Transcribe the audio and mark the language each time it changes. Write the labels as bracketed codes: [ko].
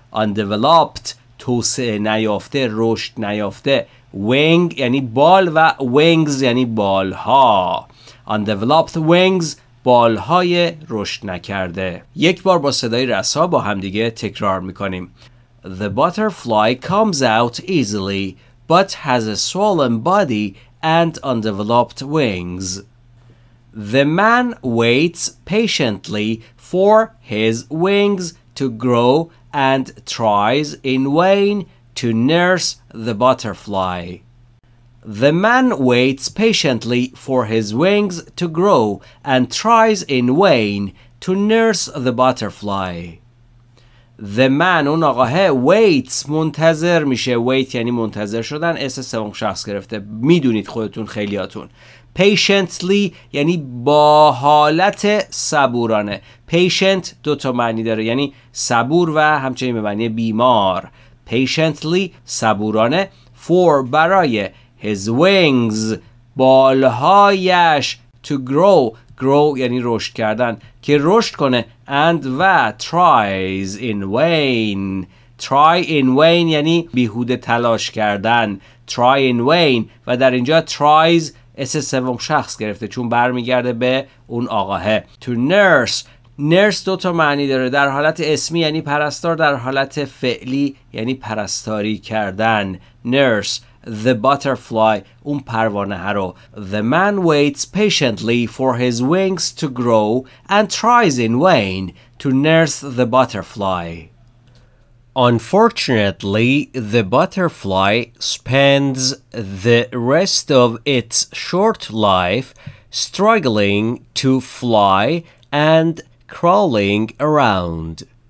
[fa] undeveloped توسعه نیافته، رشد نیافته. wing یعنی بال و wings یعنی بالها. [en] undeveloped wings، [fa] بالهای رشد نکرده. یک بار با صدای رسا با همدیگه تکرار میکنیم. [en] The butterfly comes out easily but has a swollen body and undeveloped wings. The man waits patiently for his wings to grow and tries in vain to nurse the butterfly. The man waits patiently for his wings to grow and tries in vain to nurse the butterfly. The man [fa] اون آقاه waits منتظر میشه. wait یعنی منتظر شدن، اس سوم شخص گرفته، میدونید خودتون خیلیاتون. patiently یعنی با حالت صبورانه. patient دو تا معنی داره، یعنی صبور و همچنین به معنی بیمار. patiently صبورانه. for برای [en] his wings [fa] بالهایش. [en] to grow، [fa] grow یعنی رشد کردن، که رشد کنه. and و [en] tries in vain، [fa] try in vain یعنی بیهوده تلاش کردن. [en] try in vain [fa] و در اینجا tries اس سوم شخص گرفته چون برمیگرده به اون آقاه. [en] to nurse، [fa] nurse دو تا معنی داره، در حالت اسمی یعنی پرستار، در حالت فعلی یعنی پرستاری کردن. [en] nurse the butterfly [fa] اون پروانه ها رو. [en] the man waits patiently for his wings to grow and tries in vain to nurse the butterfly. unfortunately the butterfly spends the rest of its short life struggling to fly and crawling around.